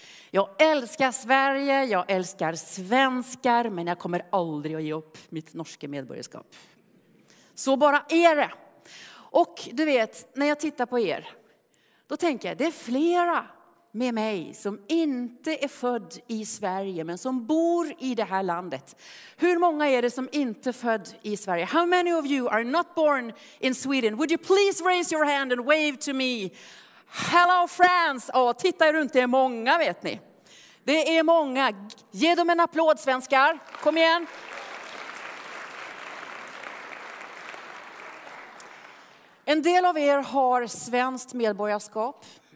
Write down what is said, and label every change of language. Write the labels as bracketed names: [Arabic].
[Swedish] Jag älskar Sverige, jag älskar svenskar, men jag kommer aldrig att ge upp mitt norska medborgarskap. Så bara är det. Och du vet, när jag tittar på er, då tänker jag, det är flera med mig som inte är född i Sverige men som bor i det här landet. Hur många är det som inte född i Sverige? [English] How many of you are not born in Sweden? Would you please raise your hand and wave to me? Hello France! [Swedish] Åh, titta runt, det är många, vet ni. Det är många. Ge dem en applåd, svenskar. Kom igen. En del av er har svenskt medborgarskap.